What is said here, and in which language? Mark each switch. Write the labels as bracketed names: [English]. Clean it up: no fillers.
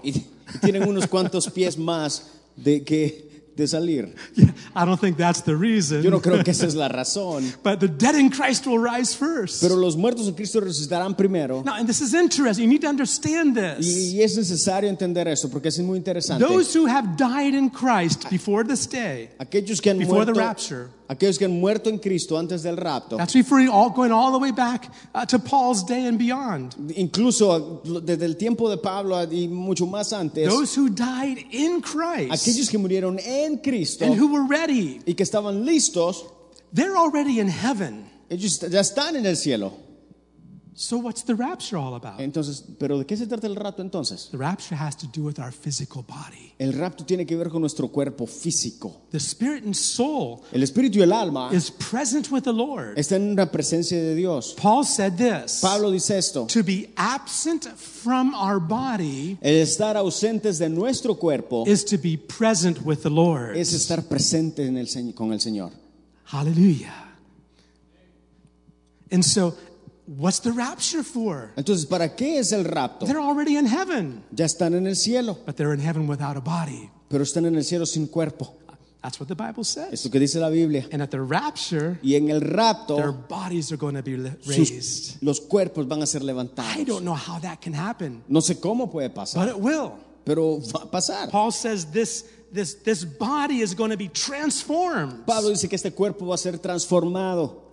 [Spanish] Y tienen unos cuantos pies más de salir. [English] Yeah, I don't think that's the reason. [Spanish] Yo no creo que esa es la razón. [English] But the dead in Christ will rise first. [Spanish] Pero los muertos en Cristo resucitarán primero. [English] Now, and this is interesting. You need to understand this. [Spanish] Y es necesario entender eso porque es muy interesante. [English] Those who have died in Christ before this day, [Spanish] aquellos que han [English] before [Spanish] muerto, [English] the rapture, [Spanish] aquellos que han muerto en Cristo antes del rapto. [English] That's referring all, going all the way back to Paul's day and beyond. [Spanish] Incluso desde el tiempo de Pablo y mucho más antes. [English] Those who died in Christ. [Spanish] Aquellos que murieron en Cristo. [English] And who were ready. [Spanish] Y que estaban listos. [English] They're already in heaven. [Spanish] Ellos ya están en el cielo. [English] So what's the rapture all about? [Spanish] Entonces, ¿pero de qué se trata el rapto entonces? [English] The rapture has to do with our physical body. [Spanish] El rapto tiene que ver con nuestro cuerpo físico. [English] The spirit and soul, [Spanish] el espíritu y el alma, [English] is present with the Lord. [Spanish] Está en la presencia de Dios. [English] Paul said this. [Spanish] Pablo dice esto. [English] To be absent from our body, [Spanish] el estar ausentes de nuestro cuerpo, [English] is to be present with the Lord. [Spanish] Es estar presente en el con el Señor. [English] Hallelujah. And so, what's the rapture for? [Spanish] Entonces, ¿para qué es el rapto? [English] They're already in heaven. [Spanish] Ya están en el cielo. [English] But they're in heaven without a body. [Spanish] Pero están en el cielo sin cuerpo. [English] That's what the Bible says. [Spanish] Es lo que dice la Biblia. [English] And at the rapture, [Spanish] y en el rapto, [English] their bodies are going to be raised. [Spanish] Los cuerpos van a ser levantados. [English] I don't know how that can happen. [Spanish] No sé cómo puede pasar. [English] But it will. [Spanish] Pero va a pasar. [English] Paul says this body is going to be transformed. [Spanish] Pablo dice que este cuerpo va a ser transformado.